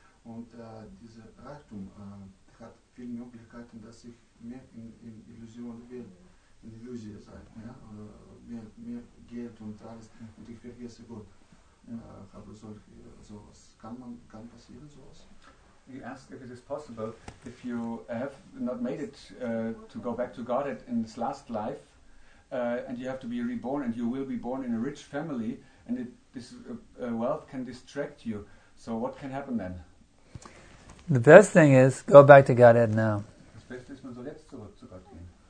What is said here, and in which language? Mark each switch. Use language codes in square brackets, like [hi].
[de] Und dieser Reichtum hat viele Möglichkeiten, dass ich mehr in Illusion werde, in Illusion sein, ja? Mehr Geld und alles, und ich vergesse Gott. Aber sowas kann passieren, sowas? [en] You asked if it is possible, if you have not made it to go back to God in this last life, and you have to be reborn, and you will be born in a rich family, and this wealth can distract you. So what can happen then? The best thing is, go back to Godhead now. [de] Das Beste ist, man soll jetzt zurück zu Gott gehen.